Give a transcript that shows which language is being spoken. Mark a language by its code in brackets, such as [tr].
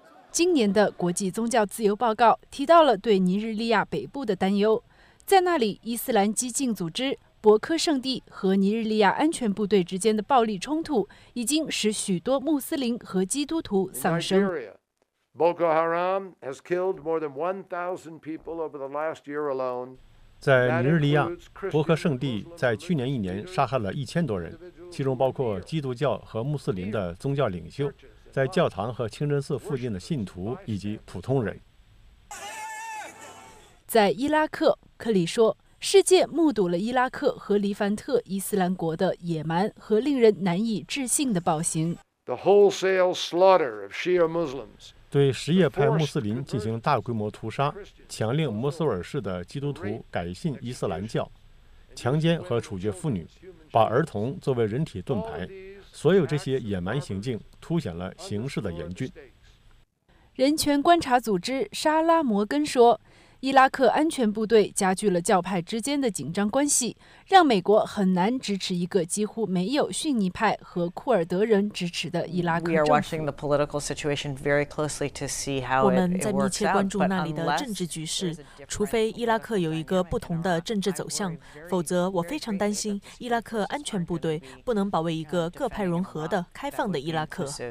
[zh] 今年的国际宗教自由报告提到了对尼日利亚北部的担忧，在那里伊斯兰激进组织博科圣地和尼日利亚安全部队之间的暴力冲突已经使许多穆斯林和基督徒丧生。 [en] Boko Haram has killed more than 1,000 people over the last year alone。 [zh] 在尼日利亚，博科圣地在去年一年杀害了1000多人，其中包括基督教和穆斯林的宗教领袖，在教堂和清真寺附近的信徒以及普通人。在伊拉克，克里说，世界目睹了伊拉克和黎凡特伊斯兰国的野蛮和令人难以置信的暴行。 [en] The wholesale slaughter of Shia Muslims. [zh] 对什叶派穆斯林进行大规模屠杀，强令摩苏尔市的基督徒改信伊斯兰教，强奸和处决妇女，把儿童作为人体盾牌，所有这些野蛮行径凸显了形势的严峻。人权观察组织沙拉摩根说，伊拉克安全部队加剧了教派之间的紧张关系，让美国很难支持一个几乎没有逊尼派和库尔德人支持的伊拉克政府。 [en] We are watching the political situation very closely to see how it works out. [zh] 我们在密切关注那里的政治局势，除非伊拉克有一个不同的政治走向，否则我非常担心伊拉克安全部队不能保卫一个各派融合的开放的伊拉克。